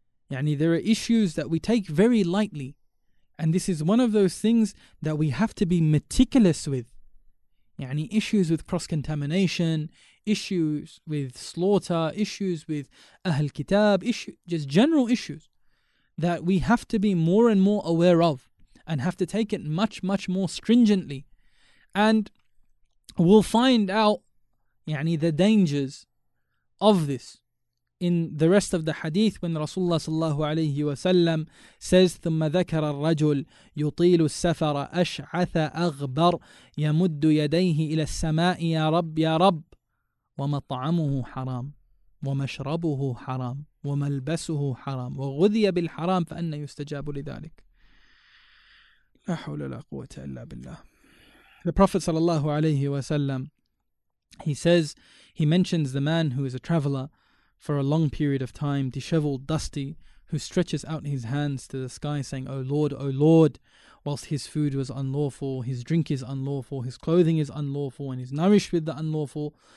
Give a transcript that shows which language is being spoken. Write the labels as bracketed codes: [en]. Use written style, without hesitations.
[en] يعني, there are issues that we take very lightly. And this is one of those things that we have to be meticulous with. يعني, issues with cross-contamination, issues with slaughter, issues with Ahl Kitab, just general issues that we have to be more and more aware of, and have to take it much, much more stringently. And we'll find out يعني, the dangers of this in the rest of the hadith, when Rasulullah sallallahu alayhi wa sallam says, [ar] ثُمَّ ذَكَرَ الرَّجُلُ يُطِيلُ السَّفَرَ أَشْعَثَ أَغْبَرُ يَمُدُّ يَدَيْهِ إِلَى السَّمَاءِ يَا رَبْ يَا رَبْ وَمَطْعَمُهُ حَرَامٌ وَمَشْرَبُهُ حَرَامٌ وَمَلْبَسُهُ حَرَامٌ وَغُذِيَ بِالْحَرَامِ فَأَنَّ يُسْتَجَابُ لِذَلِكَ. لا حول ولا قوة إلا بالله. [en] The Prophet sallallahu alayhi wa sallam, he says, he mentions the man who is a traveler for a long period of time, disheveled, dusty, who stretches out his hands to the sky saying, O Lord, O Lord, whilst his food was unlawful, his drink is unlawful, his clothing is unlawful, and he's nourished with the unlawful.